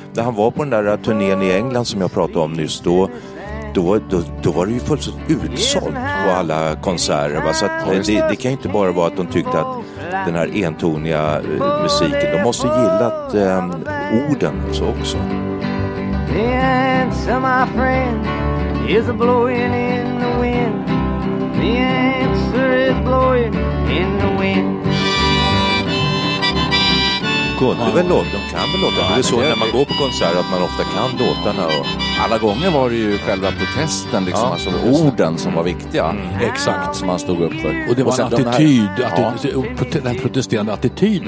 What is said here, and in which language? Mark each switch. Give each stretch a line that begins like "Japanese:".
Swedish: När han var på den där turnén i England som jag pratade om nyss. Då var det ju fullständigt utsålt på alla konserter. Va? Så att, det kan ju inte bara vara att de tyckte att den här entoniga musiken. De måste gillat orden så också.
English: The answer, my friend, is a blowing in the wind. The answer is blowing in the wind.
Swedish: Kunde väl låta, de kan väl låta. Ja, det är så det, när man går på konsert att man ofta kan låtarna. Och alla gånger var det ju själva protesten, liksom, alltså orden som var viktiga. Mm. Exakt. Som man stod upp för. Och det var och en attityd, den protesterande attityden.